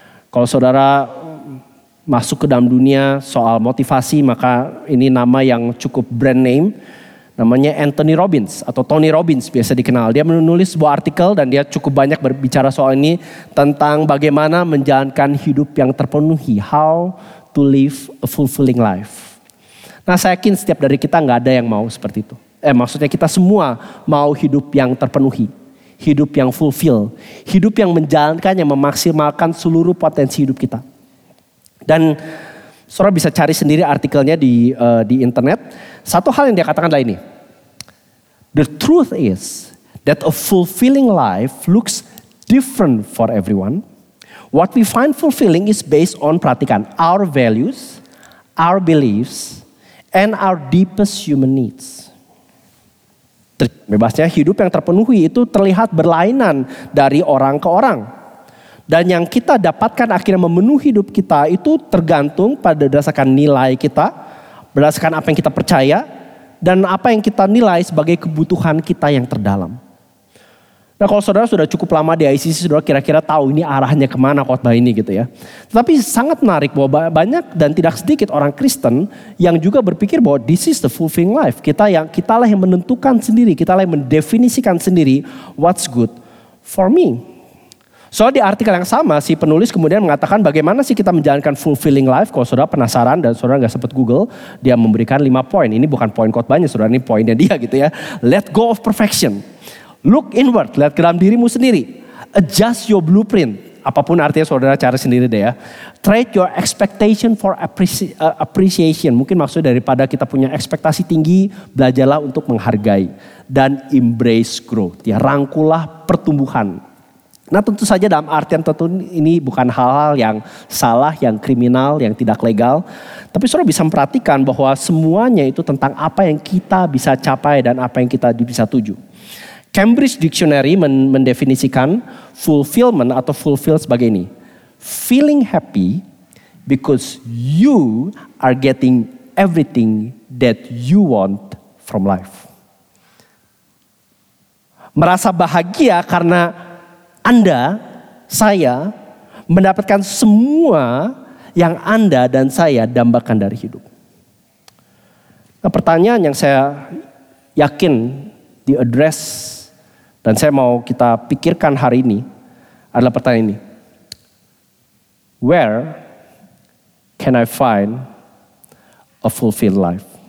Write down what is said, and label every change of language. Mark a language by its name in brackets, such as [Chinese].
[Indonesian] Kalau saudara masuk ke dalam dunia soal motivasi, maka ini nama yang cukup brand name. Namanya Anthony Robbins atau Tony Robbins biasa dikenal. Dia menulis sebuah artikel dan dia cukup banyak berbicara soal ini, tentang bagaimana menjalankan hidup yang terpenuhi. [English] How to live a fulfilling life. [Indonesian] Nah, saya yakin setiap dari kita gak ada yang mau seperti itu. Maksudnya kita semua mau hidup yang terpenuhi. Hidup yang fulfill, hidup yang menjalankan, yang memaksimalkan seluruh potensi hidup kita. Dan saudara bisa cari sendiri artikelnya di internet. Satu hal yang dia katakan adalah ini: [English] the truth is that a fulfilling life looks different for everyone. What we find fulfilling is based on, [Indonesian] perhatikan, [English] our values, our beliefs, and our deepest human needs. [Indonesian] Bebasnya hidup yang terpenuhi itu terlihat berlainan dari orang ke orang. Dan yang kita dapatkan akhirnya memenuhi hidup kita itu tergantung pada berdasarkan nilai kita, berdasarkan apa yang kita percaya, dan apa yang kita nilai sebagai kebutuhan kita yang terdalam. Nah, kalau saudara sudah cukup lama di ICC, saudara kira-kira tahu ini arahnya kemana khotbah ini gitu ya. Tetapi sangat menarik bahwa banyak dan tidak sedikit orang Kristen yang juga berpikir bahwa [English] this is the fulfilling life. [Indonesian] Kitalah yang menentukan sendiri, kitalah yang mendefinisikan sendiri [English] what's good for me. [Indonesian] Soal di artikel yang sama, si penulis kemudian mengatakan bagaimana sih kita menjalankan fulfilling life. Kalau saudara penasaran dan saudara gak sempat Google, dia memberikan 5 poin. Ini bukan poin khotbahnya, saudara, ini poinnya dia gitu ya. [English] Let go of perfection. Look inward, [Indonesian] lihat ke dalam dirimu sendiri. [English] Adjust your blueprint. [Indonesian] Apapun artinya saudara cari sendiri deh ya. [English] Trade your expectation for appreciation. [Indonesian] Mungkin maksud daripada kita punya ekspektasi tinggi, belajarlah untuk menghargai. Dan [English] embrace growth. [Indonesian] Ya, rangkulah pertumbuhan. Nah, tentu saja dalam artian tentu ini bukan hal-hal yang salah, yang kriminal, yang tidak legal. Tapi saudara bisa memperhatikan bahwa semuanya itu tentang apa yang kita bisa capai dan apa yang kita bisa tuju. Cambridge Dictionary mendefinisikan fulfillment atau fulfill sebagai ini. [English] Feeling happy because you are getting everything that you want from life. [Indonesian] Merasa bahagia karena Anda, saya mendapatkan semua yang Anda dan saya dambakan dari hidup. Nah, pertanyaan yang saya yakin di address dan saya mau kita pikirkan hari ini adalah pertanyaan ini. [English] Where can I find a fulfilled life?